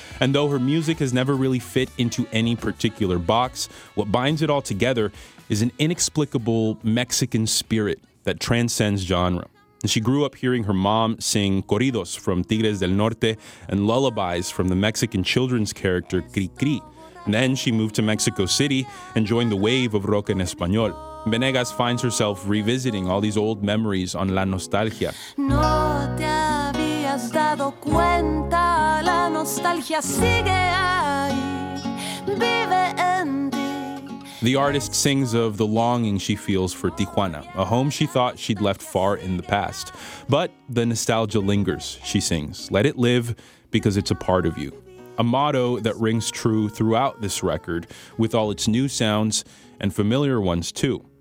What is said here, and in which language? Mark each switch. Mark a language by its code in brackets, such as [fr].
[en] And though her music has never really fit into any particular box, what binds it all together is an inexplicable Mexican spirit that transcends genre. And she grew up hearing her mom sing corridos from Tigres del Norte and lullabies from the Mexican children's character Cri Cri. Then she moved to Mexico City and joined the wave of rock en español. Venegas finds herself revisiting all these old memories on La Nostalgia. [es] No te habías dado cuenta, la nostalgia sigue ahí, vive en ti. [en] The artist sings of the longing she feels for Tijuana, a home she thought she'd left far in the past. But the nostalgia lingers, she sings. Let it live because it's a part of you. A motto that rings true throughout this record, with all its new sounds and familiar ones too.